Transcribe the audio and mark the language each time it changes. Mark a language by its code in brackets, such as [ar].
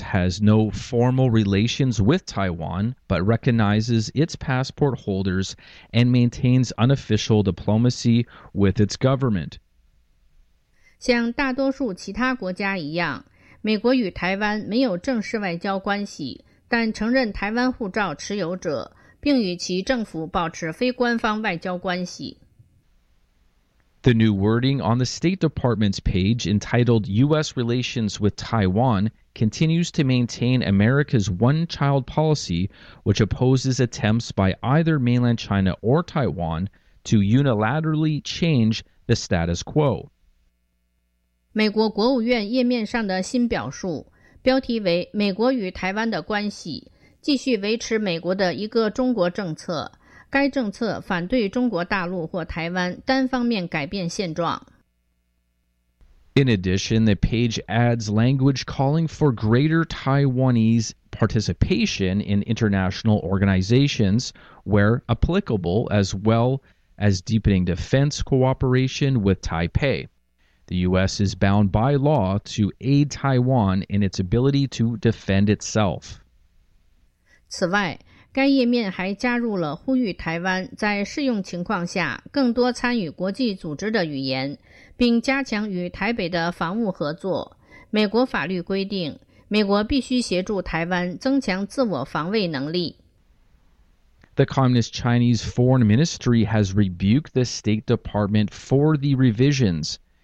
[en] has no formal relations with Taiwan, but recognizes its passport holders and maintains unofficial diplomacy with its government. [zh] 像大多数其他国家一样，美国与台湾没有正式外交关系，但承认台湾护照持有者，并与其政府保持非官方外交关系。 [en] The new wording on the State Department's page entitled U.S. Relations with Taiwan continues to maintain America's one-child policy, which opposes attempts by either mainland China or Taiwan to unilaterally change the status quo. [zh] 美国国务院页面上的新表述，标题为《美国与台湾的关系》，继续维持美国的一个中国政策。该政策反对中国大陆或台湾单方面改变现状。 [en] In addition, the page adds language calling for greater Taiwanese participation in international organizations where applicable, as well as deepening defense cooperation with Taipei. The U.S. is bound by law to aid Taiwan in its ability to defend itself. [zh] 此外，该页面还加入了呼吁台湾在适用情况下更多参与国际组织的语言，并加强与台北的防务合作。美国法律规定，美国必须协助台湾增强自我防卫能力。 [en] The Communist Chinese Foreign Ministry has rebuked the State Department for the revisions.